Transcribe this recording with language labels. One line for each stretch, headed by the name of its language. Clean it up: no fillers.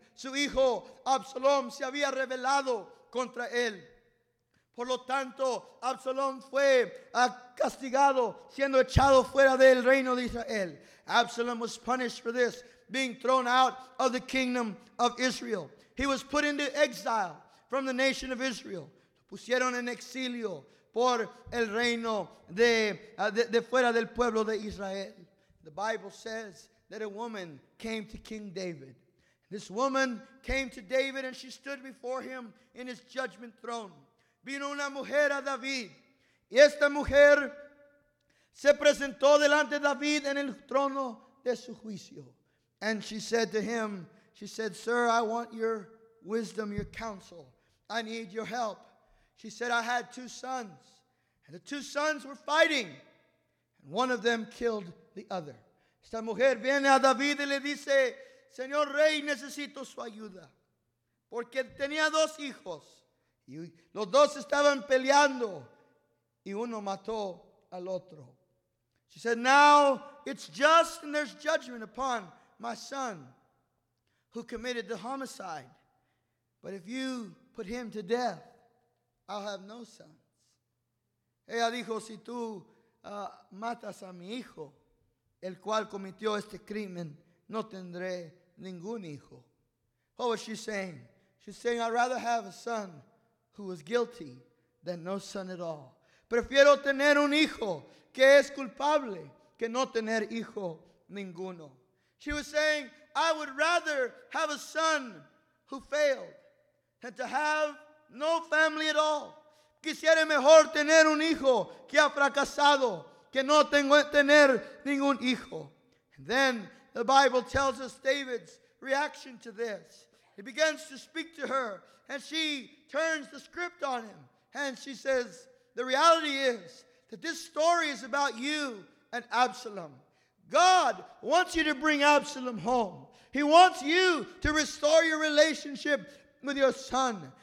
Spanish: Su hijo Absalom se había rebelado contra él. Por lo tanto, Absalom fue castigado, siendo echado fuera del reino de Israel.
English: Absalom was punished for this, being thrown out of the kingdom of Israel. He was put into exile from the nation of Israel.
Spanish: Pusieron en exilio por el reino de fuera del pueblo de Israel.
English: The Bible says that a woman came to King David. This woman came to David and she stood before him in his judgment throne.
Spanish: Vino una mujer a David. Y esta mujer se presentó delante de David en el trono de su juicio.
English: And she said to him, she said, sir, I want your wisdom, your counsel. I need your help. She said, I had two sons, and the two sons were fighting, and one of them killed the other.
Spanish: Esta mujer viene a David y le dice, Señor Rey, necesito su ayuda, porque tenía dos hijos, y los dos estaban peleando, y uno mató al otro.
English: She said, now it's just and there's judgment upon my son who committed the homicide, but if you put him to death, I'll have no sons.
Spanish: Ella dijo, si tú matas a mi hijo, el cual cometió este crimen, no tendré ningún hijo.
English: What was she saying? She's saying, I'd rather have a son who was guilty than no son at all.
Spanish: Prefiero tener un hijo que es culpable que no tener hijo ninguno.
English: She was saying, I would rather have a son who failed than to have no family at all.
Spanish: Quisiera mejor tener un hijo que ha fracasado, que no tener ningún hijo.
English: And then the Bible tells us David's reaction to this. He begins to speak to her, and she turns the script on him. And she says, the reality is that this story is about you and Absalom. God wants you to bring Absalom home. He wants you to restore your relationship with your son.